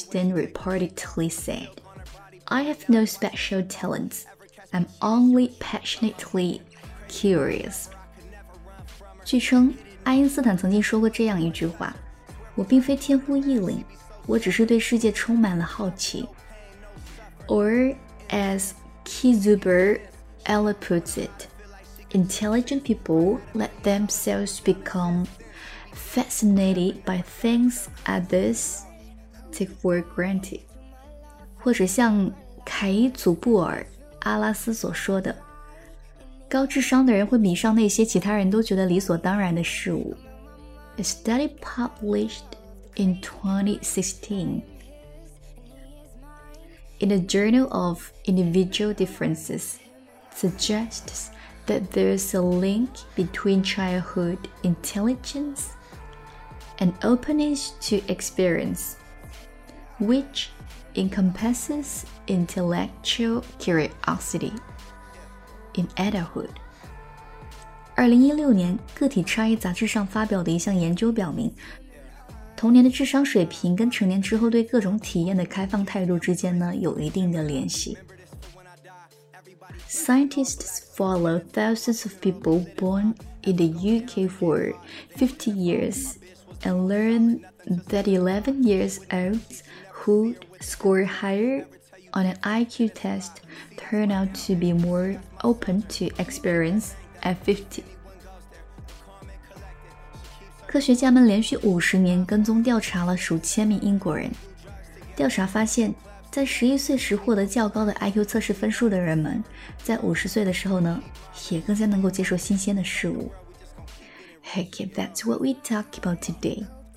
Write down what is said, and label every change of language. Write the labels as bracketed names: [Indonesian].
[English] Albert Einstein reportedly said I have no special talents, I'm only passionately curious。 [Chinese] 据称爱因斯坦曾经说过这样一句话，我并非天赋异禀，我只是对世界充满了好奇。 [English] Or as Kizuber Ella puts it, intelligent people let themselves become fascinated by things others take for granted。 [Chinese] 或者像凯伊祖布尔阿拉斯所说的，高智商的人会迷上那些其他人都觉得理所当然的事物。 [English] A study published in 2016 in the Journal of Individual Differences suggests that there is a link between childhood intelligence and openness to experience, which encompasses intellectual curiosity. In adulthood， [Chinese] 2016年个体差异杂志上发表的一项研究表明，童年的智商水平跟成年之后对各种体验的开放态度之间呢有一定的联系。 [English] Scientists follow thousands of people born in the UK for 50 years and learn that 11 years old who score higherOn an IQ test turn out to be more open to experience at 50. [Chinese] 科学家们连续50年跟踪调查了数千名英国人。调查发现，在11岁时获得较高的 IQ 测试分数的人们，在50岁的时候呢，也更加能够接受新鲜的事物。 [English] Okay, that's what we talk about today.